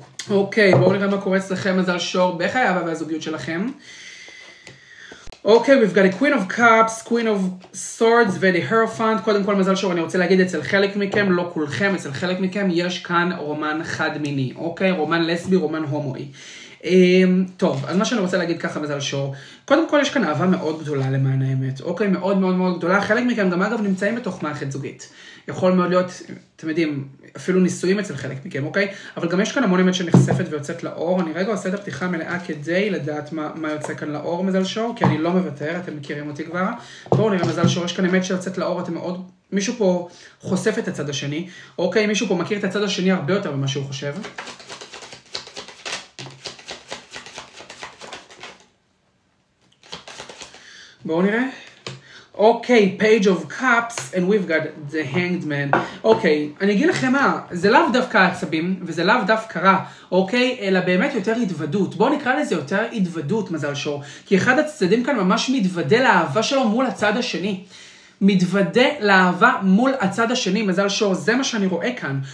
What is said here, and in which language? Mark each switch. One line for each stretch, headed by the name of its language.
Hebrew: אוקיי, בואו נראה מה קורה אצלכם, מזל שור, בחייו והזוגיות שלכם.
English: אוקיי, we've got a queen of cups, queen of swords ו-the hierophant.
Hebrew: קודם כל, מזל שור, אני רוצה להגיד אצל חלק מכם, לא כולכם, אצל חלק מכם, יש כאן רומן חד מיני. אוקיי, רומן לסבי, רומן הומואי. טוב, אז מה שאני רוצה להגיד ככה, מזל שור, קודם כל, יש כאן אהבה מאוד גדולה למען האמת. אוקיי, מאוד מאוד מאוד גדולה. חלק מכם גם, אגב, נמצאים בתוך מערכת זוגית. יכול מאוד להיות, אתם יודעים, אפילו ניסויים אצל חלק מכם, אוקיי? אבל גם יש כאן המון אמת שנחשפת ויוצאת לאור. אני רגע עושה את הפתיחה מלאה כדי לדעת מה יוצא כאן לאור, מזל שור, כי אני לא מוותר, אתם מכירים אותי כבר. בואו נראה, מזל שור, יש כאן אמת שיוצאת לאור, אתם מאוד, מישהו פה חושף את הצד השני, אוקיי? מישהו פה מכיר את הצד השני הרבה יותר ממה שהוא חושב. בואו נראה.
English: אוקיי, page of cups, and we've got the hanged man.
Hebrew: אוקיי, אני אגיד לכם מה, זה לאו דווקא עצבים, וזה לאו דווקא רע, אוקיי? אלא באמת יותר התוודות. בואו נקרא לזה יותר התוודות, מזל שור. כי אחד הצדדים כאן ממש מתוודה לאהבה שלו מול הצד השני. מתוודה לאהבה מול הצד השני, מזל שור, זה מה שאני רואה כאן.